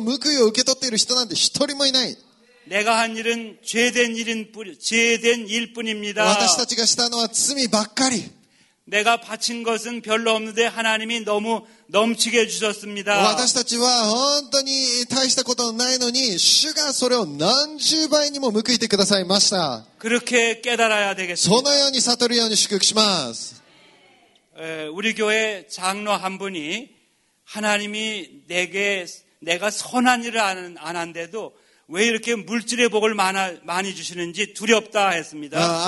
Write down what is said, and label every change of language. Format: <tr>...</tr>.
<ja>私たちから捧げて私たちがその報いを受け取っている人なんて一人もいない。</ja> <ko>내가 한 일은 죄된 일인 뿐 죄된 일뿐입니다.</ko> <ja>私たちがしたのは罪ばっかり。</ja> <ko>내가 바친 것은 별로 없는데 하나님이 너무 넘치게 주셨습니다.</ko> <ja>私たちは本当に大したことないのに主がそれを何十倍にも報いてくださいました。</ja> <ko>그렇게 깨달아야 되겠습니다.</ko> <ja>そのように悟るように祝福します。</ja> <ko>우리 교회 장로 한 분이 하나님이 내게 내가 선한 일을 안 한데도 왜 이렇게 물질의 복을 많이 주시는지 두렵다 했습니다.</ko>